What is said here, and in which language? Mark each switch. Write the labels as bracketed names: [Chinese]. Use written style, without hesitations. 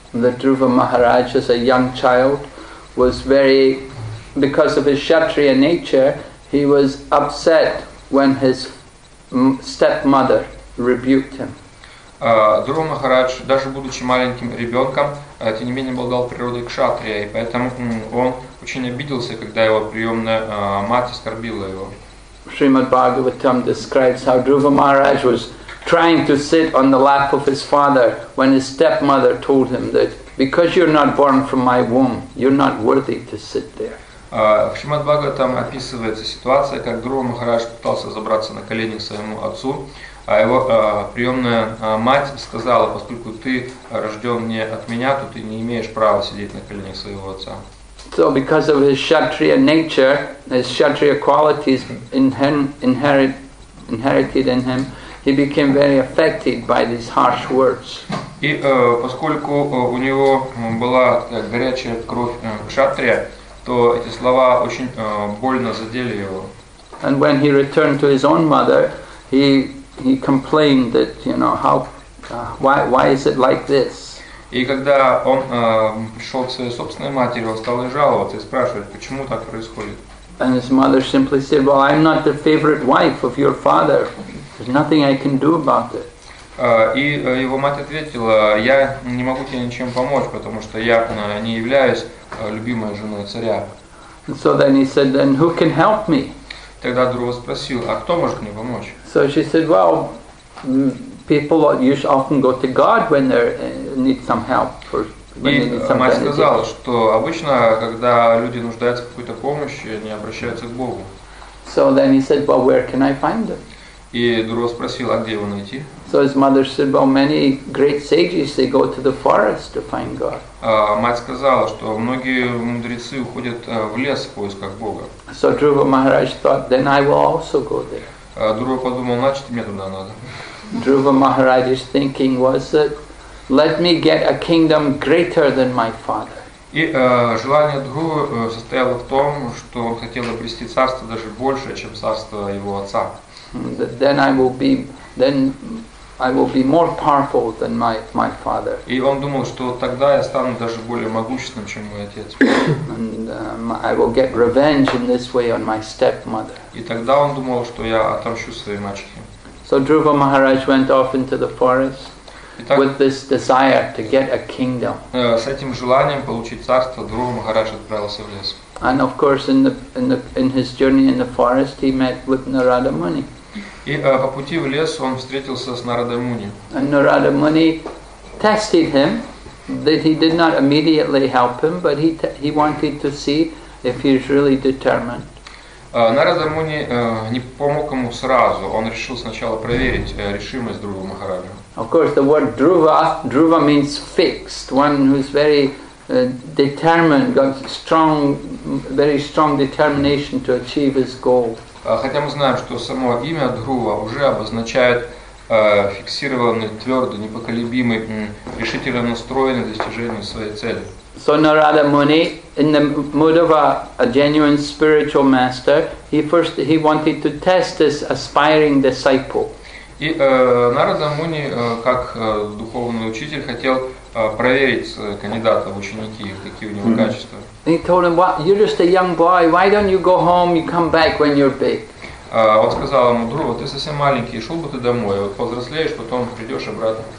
[English] The Dhruva Maharaj, as a young child, was very, because of his kshatriya nature, he was upset when his stepmother rebuked him. [Russian] Дхрува Махарадж, даже будучи маленьким ребенком, тем не менее обладал природой кшатрия, и поэтому он очень обиделся, когда его приемная мать оскорбила его. [English] Шримад Бхагаватам describes how Dhruva Maharaj was trying to sit on the lap of his father when his stepmother told him that because you're not born from my womb, you're not worthy to sit there. [Russian] В Шримад Бхагаватам описывается ситуация, как Дхрува Махарадж пытался забраться на колени к своему отцу. А его приемная мать сказала, поскольку ты рожден не от меня, то ты не имеешь права сидеть на коленях своего отца. [English] So because of his kshatriya nature, his kshatriya qualities inherited in him, he became very affected by these harsh words. [Russian] И поскольку у него была горячая кровь кшатрия, то эти слова очень больно задели его. [English] And when he returned to his own mother, he complained that, you know, how why is it like this? [Russian] И когда он пришел к своей собственной матери, он стал жаловаться и спрашивать, почему так происходит. [English] And his mother simply said, well, I'm not the favorite wife of your father. There's nothing I can do about it. [Russian] И его мать ответила, я не могу тебе ничем помочь, потому что я не являюсь любимой женой царя. [English] And so then he said, then who can help me? [Russian] Тогда Дрова спросил, а кто может мне помочь? [English] So she said, well, people usually often go to God when they need some help. [Russian] Мать сказала, что обычно, когда люди нуждаются в какой-то помощи, они обращаются к Богу. [English] So then he said, well, where can I find them? [Russian] И Дрова спросил, а где его найти? [English] So his mother said, well, many great sages, they go to the forest to find God. [Russian] Мать сказала, что многие мудрецы уходят в лес в поисках Бога. [English] So Dhruva Maharaj thought, then I will also go there. [Russian] Dhruva подумал, значит, мне туда надо. [English] Dhruva Maharaj's thinking was that, let me get a kingdom greater than my father. [Russian] И желание Dhruva состояло в том, что он хотел обрести царство даже больше, чем царство его отца. [English] Then I will be more powerful than my father. [Russian] И он думал, что тогда я стану даже более могущественным, чем мой отец. [English] And I will get revenge in this way on my stepmother. [Russian] И тогда он думал, что я отомщу своей мачехе. [English] So Dhruva Maharaj went off into the forest. [Russian] Итак, [English] with this desire to get a kingdom. [Russian] С этим желанием получить царство, Друг Махарадж отправился в лес. [English] And of course, in his journey in the forest, he met with Narada Muni. [Russian] И по пути в лес он встретился с Нарадой Муни. [English] And Narada Muni tested him, that he did not immediately help him, but he wanted to see if he is really determined. [Russian] Нарада Муни не помог ему сразу. Он решил сначала проверить решимость Друга Махараджа. [English] Of course, the word dhruva means fixed, one who's very determined, got strong, very strong determination to achieve his goal. [Russian] Хотя мы знаем, что само имя Дхрува уже обозначает фиксированный, твердый, непоколебимый, решительно настроенный к достижению своей цели. [English] So Narada Muni, in the mood of a genuine spiritual master, he wanted to test this aspiring disciple. [Russian] И Нарада Муни, как духовный учитель, хотел проверить кандидата в ученики, какие у него качества. [English] He told him, "You're just a young boy. Why don't you go home? You come back when you're big." [Russian] Он сказал ему: "Друг, ты совсем маленький, шел бы ты домой. Вот повзрослеешь, потом придешь обратно."